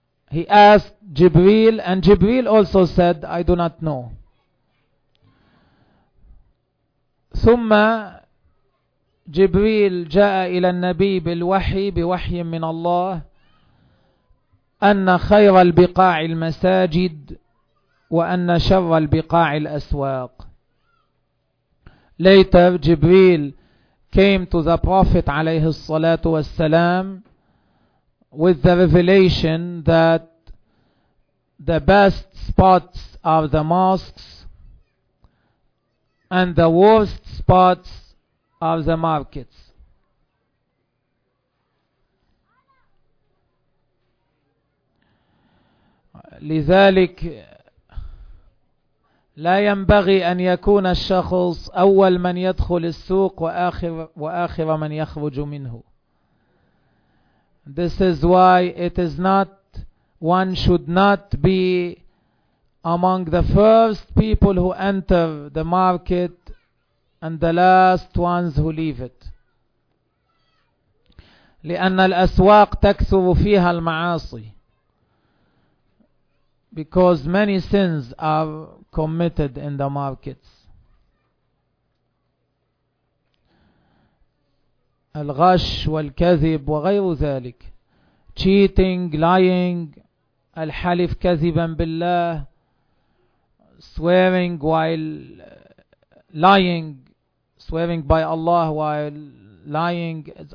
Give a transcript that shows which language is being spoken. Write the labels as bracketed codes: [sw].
[en] He asked Jibreel and Jibreel also said, I do not know. [ar] ثم جبريل جاء إلى النبي بالوحي بوحي من الله أن خير البقاع المساجد وأن شر البقاع الأسواق. [en] Later, Jibreel came to the Prophet [ar] عليه الصلاة والسلام [en] with the revelation that the best spots are the mosques and the worst spots are the markets. [ar] لذلك لا ينبغي أن يكون الشخص أول من يدخل السوق وآخر من يخرج منه. [en] This is why it is not, one should not be among the first people who enter the market and the last ones who leave it. [ar] لأن الأسواق تكثر فيها المعاصي. [en] Because many sins are committed in the markets. [ar] الغش والكذب وغير ذلك. [en] Cheating, lying, [ar] الحلف كذبا بالله, [en] swearing while lying, swearing by Allah while lying.